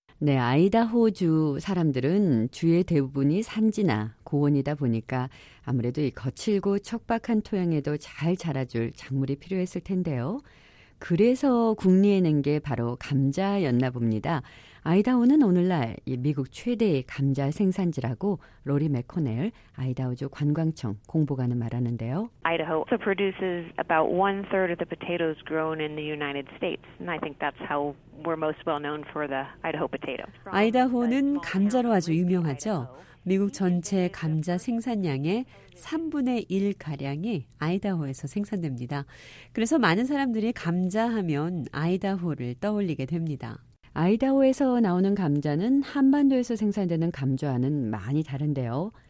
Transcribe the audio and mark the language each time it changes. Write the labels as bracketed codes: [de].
[ko] 네, 아이다호주 사람들은 주의 대부분이 산지나 고원이다 보니까 아무래도 이 거칠고 척박한 토양에도 잘 자라줄 작물이 필요했을 텐데요. 그래서 국리에 낸 게 바로 감자였나 봅니다. 아이다호는 오늘날 이 미국 최대의 감자 생산지라고 로리 맥코넬 아이다호주 관광청 공보관은 말하는데요. [en] Idaho also produces about one third of the potatoes grown in the United States, and I think that's how we're most well known for the Idaho potato. [ko] 아이다호는 감자로 아주 유명하죠. 미국 전체 감자 생산량의 3분의 1가량이 아이다호에서 생산됩니다. 그래서 많은 사람들이 감자 하면 아이다호를 떠올리게 됩니다. 아이다호에서 나오는 감자는 한반도에서 생산되는 감자와는 많이 다른데요.